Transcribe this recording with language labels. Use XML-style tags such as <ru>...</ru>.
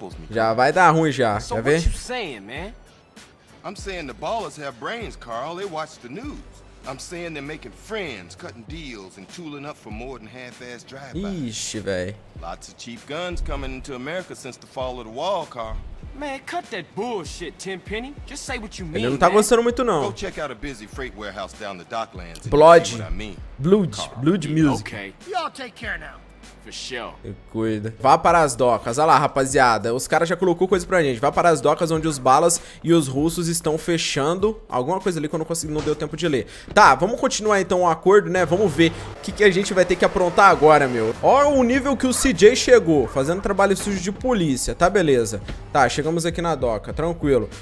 <pt>Já vai dar ruim já, quer ver?</pt> <en>I'm saying the ballers have brains, Carl. They watch the news. I'm saying they're making friends, cutting deals and tooling up for more than half-assed drive-by.</en> <pt>Ixi, véi.</pt> <en>Lots of cheap guns coming into America since the fall of the wall, Carl. Man, cut that bullshit, Tenpenny. Just say what you mean.</en> <pt>Ele não tá gostando muito não.</pt> <en>Go check out a busy freight warehouse down the docklands. Blood. Blood. Blood music. Okay. You all take care now.</en> <pt>Cuida. Vá para as docas. Olha lá, rapaziada. Os caras já colocou coisa pra gente. Vá para as docas onde os balas e os russos estão fechando. Alguma coisa ali que eu não consegui, não deu tempo de ler. Tá, vamos continuar então o acordo, né? Vamos ver o que, que a gente vai ter que aprontar agora, meu. Olha o nível que o CJ chegou. Fazendo trabalho sujo de polícia. Tá, beleza. Tá, chegamos aqui na doca. Tranquilo.</pt>